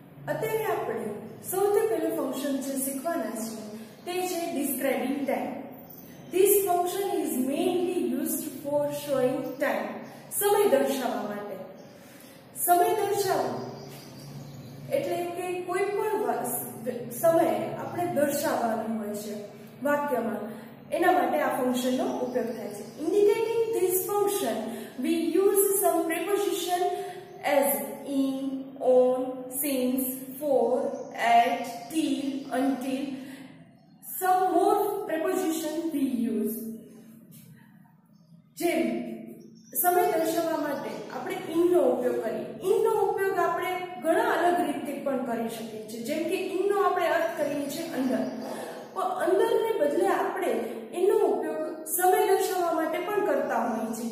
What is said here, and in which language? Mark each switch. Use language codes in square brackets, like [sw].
[gu] અત્યારે આપણે સૌથી પહેલું ફંક્શન જે શીખવાના છે તે છે describing time. [en] This function is mainly used for showing time. [gu] સમય દર્શાવવા માટે. સમય દર્શાવવો એટલે કે કોઈ પણ સમય આપણે દર્શાવવાનું હોય છે વાક્યમાં, એના માટે આ ફંક્શનનો ઉપયોગ થાય છે. [en] Indicating this function we use some preposition as in, on, since, for, at, till, until, some more preposition we use. [gu] જેમ સમય દર્શાવવા માટે આપણે in નો ઉપયોગ કરીએ. In નો ઉપયોગ આપણે ઘણા અલગ રીતે પણ કરી શકીએ છીએ. જેમ કે in નો આપણે અર્થ કરીએ છીએ અંદર. પણ અંદર ને બદલે આપણે in નો ઉપયોગ સમય દર્શાવવા માટે પણ કરતા હોઈએ છીએ.